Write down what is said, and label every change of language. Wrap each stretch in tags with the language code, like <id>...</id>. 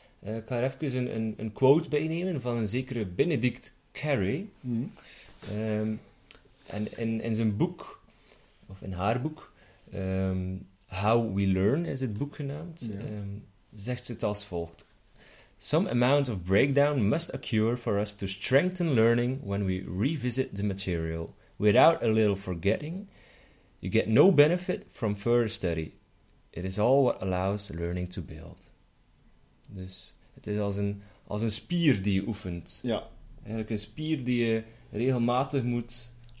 <nl>Ik ga er even een quote bij nemen van een zekere Benedict Carey. Mm-hmm. En in zijn boek, of in haar boek, How We Learn is het boek genaamd, zegt ze het als volgt.</nl> <en>Some amount of breakdown must occur for us to strengthen learning when we revisit the material. Without a little forgetting, you get no benefit from further study. It is all what allows learning to build.</en> <nl>Dus het is als een spier die je oefent. Ja. Eigenlijk een spier die je regelmatig moet</nl>